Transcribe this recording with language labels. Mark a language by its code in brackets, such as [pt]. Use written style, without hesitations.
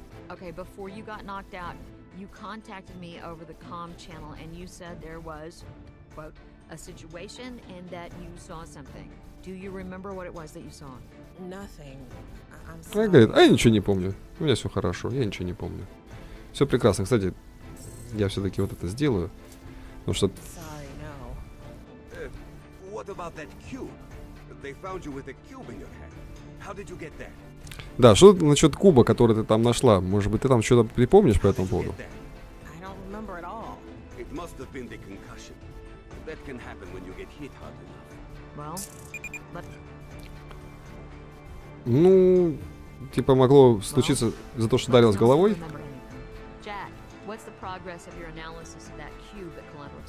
[en] Okay, before you got knocked out, you contacted me over the comm channel and you said there was, quote, a situation and that you saw something. Do you remember what it was that you saw? Nothing. [ru] Она говорит, а я ничего не помню. У меня все хорошо, я ничего не помню. Все прекрасно. Кстати, я все-таки вот это сделаю. Потому что. [en] Sorry, no. What about that cube? They found you with a cube in your hand. How did you get there? [ru] Да, что насчет куба, который ты там нашла? Может быть, ты там что-то припомнишь по этому поводу? [en] I don't remember at all. It must have been the concussion. That can happen when you get hit hard enough. Well, but... [ru] Ну, типа могло случиться за то, что ударилась головой. [en] Jack, what's the progress of your analysis of that cube that collapsed?